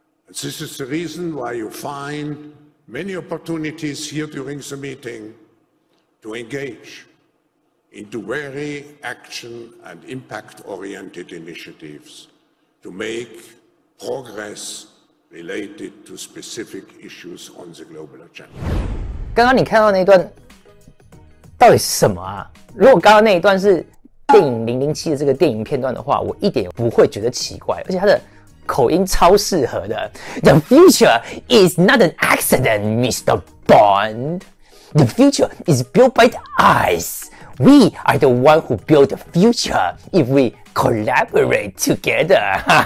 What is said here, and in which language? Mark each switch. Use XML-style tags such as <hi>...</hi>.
<en>This is the reason why you find many opportunities here during the meeting to engage into very action and impact-oriented initiatives to make progress related to specific issues on the global agenda.</en> <zh>刚刚你看到那一段到底是什么啊？如果刚刚那一段是电影《007》的这个电影片段的话，我一点也不会觉得奇怪，而且他的口音超适合的。</zh> <en>The future is not an accident, Mr. Bond. The future is built by us. We are the one who build the future if we collaborate together.</en>